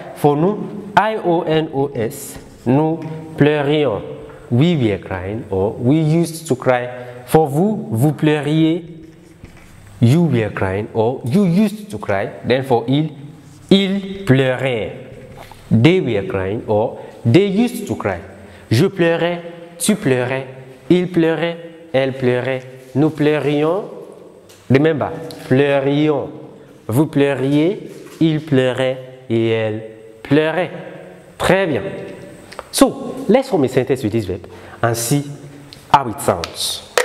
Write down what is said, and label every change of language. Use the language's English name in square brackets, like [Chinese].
[English] For nous, I-O-N-O-S, [French] nous pleurions, [English] we were crying or we used to cry. For vous, [French] vous pleuriez, [English] you were crying or you used to cry. Then for [French] il pleurait, [English] they were crying or they used to cry. [French] Je pleurais, tu pleurais, il pleurait, elle pleurait, nous pleurions. [English] Remember, [French] pleurions, vous pleuriez, il pleurait et elle pleurait. Très bien. [English] So, let's form a sentence with this verb and see how it sounds.